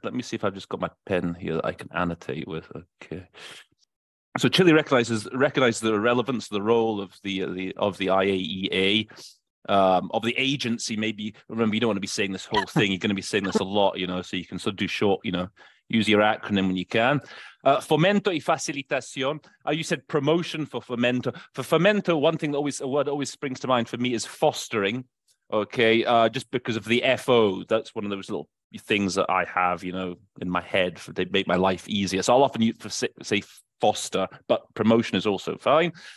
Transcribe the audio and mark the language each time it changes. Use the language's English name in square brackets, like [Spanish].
[English] Let me see if I've just got my pen here that I can annotate with. Okay. So Chile recognizes the relevance, the role of the IAEA, of the agency. Maybe remember, you don't want to be saying this whole thing. You're going to be saying this a lot, you know. So you can sort of do short, you know, use your acronym when you can. [Spanish] Fomento y facilitación. [English] You said promotion for fomento. For fomento, one thing that always a word always springs to mind for me is fostering. Okay, just because of the FO, that's one of those little things that I have, you know, in my head to make my life easier. So I'll often use for say foster, but promotion is also fine.